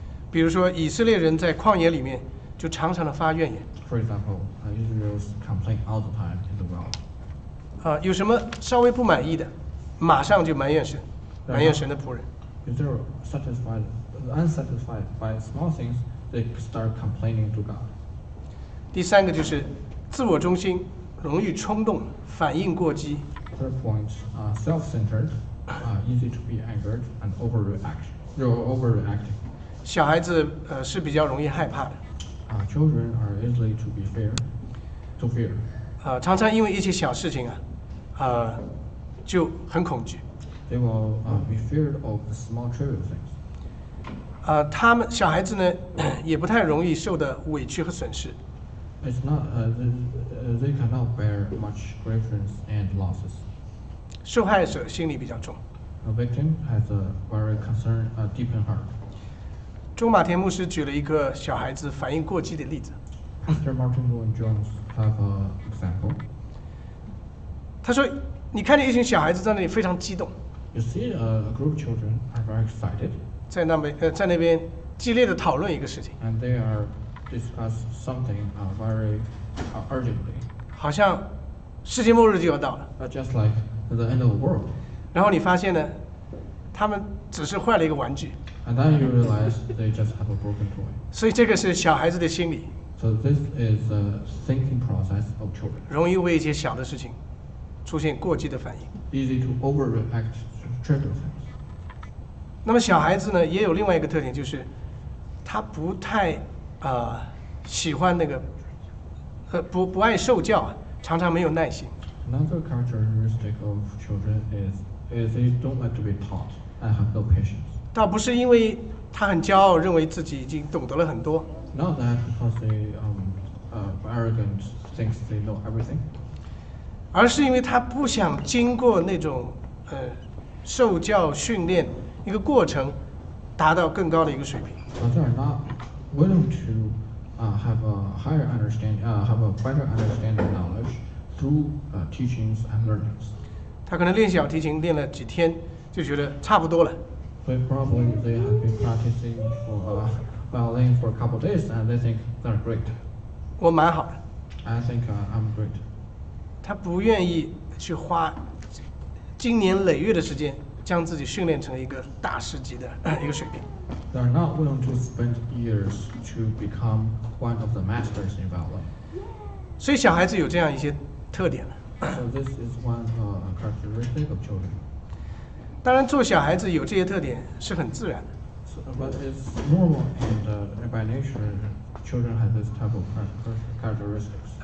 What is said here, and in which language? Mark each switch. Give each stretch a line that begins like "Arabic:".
Chinese: 比如说，以色列人在旷野里面就常常的发怨言。
English: For example, Israel's complain all the time in the world.
Chinese: 有什么稍微不满意的？马上就埋怨神，埋怨神的仆人。
English: If they're unsatisfied by small things, they start complaining to God.
Chinese: 第三个就是自我中心、容易冲动、反应过激。
English: Third point, self-centered, easy to be angered and overreacting.
Chinese: 小孩子是比较容易害怕的。
English: Children are easily to be fear, to fear.
Chinese: 常常因为一些小事情啊，就很恐惧。
English: They will be feared of the small trivial things.
Chinese: 他们小孩子呢，也不太容易受的委屈和损失。
English: It's not, they cannot bear much grievance and losses.
Chinese: 受害者心理比较重。
English: A victim has a very concern, a deep in heart.
Chinese: 中马田牧师举了一个小孩子反应过激的例子。
English: Mr. Martin Lloyd Jones have an example.
Chinese: 他说，你看见一群小孩子在那里非常激动。
English: You see a group of children are very excited.
Chinese: 在那边激烈的讨论一个事情。
English: And they are discuss something very urgently.
Chinese: 好像世界末日就要到了。
English: Just like the end of the world.
Chinese: 然后你发现呢，他们只是坏了一个玩具。
English: And then you realize they just have a broken toy.
Chinese: 所以这个是小孩子的心理。
English: So this is the thinking process of children.
Chinese: 容易为一些小的事情出现过激的反应。
English: Easy to overreact to trivial things.
Chinese: 那么小孩子呢，也有另外一个特点，就是他不太喜欢那个不爱受教，常常没有耐心。
English: Another characteristic of children is they don't like to be taught and have no patience.
Chinese: 倒不是因为他很骄傲，认为自己已经懂得了很多。
English: Not that because they arrogant thinks they know everything.
Chinese: 而是因为他不想经过那种受教训练一个过程，达到更高的一个水平。
English: Willing to have a higher understanding, have a better understanding knowledge through teachings and learnings.
Chinese: 他可能练小提琴练了几天，就觉得差不多了。
English: So probably they have been practicing for violin for a couple of days, and they think they're great.
Chinese: 我蛮好的。
English: I think I'm great.
Chinese: 他不愿意去花今年累月的时间，将自己训练成一个大师级的一个水平。
English: They are not willing to spend years to become one of the masters in violin.
Chinese: 所以小孩子有这样一些特点了。
English: So this is one characteristic of children.
Chinese: 当然，做小孩子有这些特点是很自然的。
English: But it's normal and by nature, children have this type of characteristics.